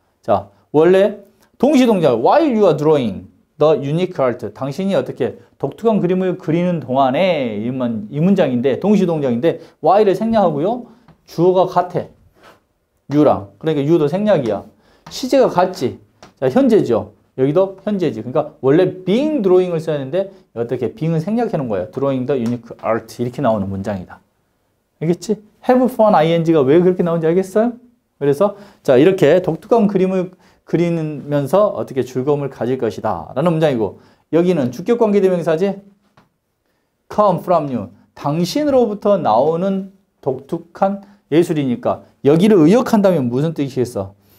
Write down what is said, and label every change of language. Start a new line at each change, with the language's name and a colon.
Korean: 자, 원래 동시동작
English: while you are drawing the unique art
Korean: 당신이 어떻게 독특한 그림을 그리는 동안에 이 문장인데 동시동작인데 while을 생략하고요. 주어가 같아. you랑. 그러니까 you도 생략이야. 시제가 같지. 자, 현재죠. 여기도 현재지. 그러니까 원래 being drawing을 써야 되는데 어떻게 being은 생략해 놓은 거예요.
English: drawing the unique art
Korean: 이렇게 나오는 문장이다. 알겠지? have fun ing가 왜 그렇게 나오는지 알겠어요? 그래서 자 이렇게 독특한 그림을 그리면서 어떻게 즐거움을 가질 것이다 라는 문장이고 여기는 주격관계대명사지?
English: come from you.
Korean: 당신으로부터 나오는 독특한 예술이니까 여기를 의역한다면 무슨 뜻이겠어?